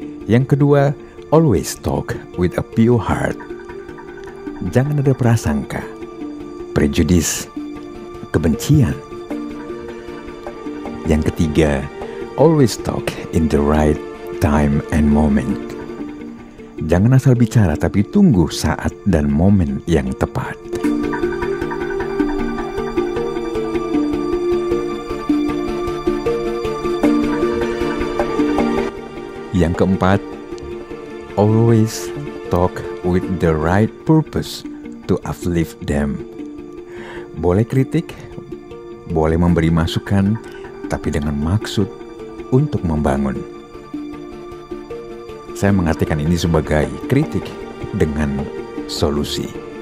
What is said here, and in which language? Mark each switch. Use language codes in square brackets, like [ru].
[id] Yang kedua, [en] always talk with a pure heart. [id] Jangan ada prasangka, prejudice, kebencian. Yang ketiga, [en] always talk in the right time and moment. [id] Jangan asal bicara, tapi tunggu saat dan momen yang tepat. Yang keempat, [en] always talk with the right purpose to uplift them. [id] Boleh kritik, boleh memberi masukan, tapi dengan maksud untuk membangun. Saya mengartikan ini sebagai kritik dengan solusi.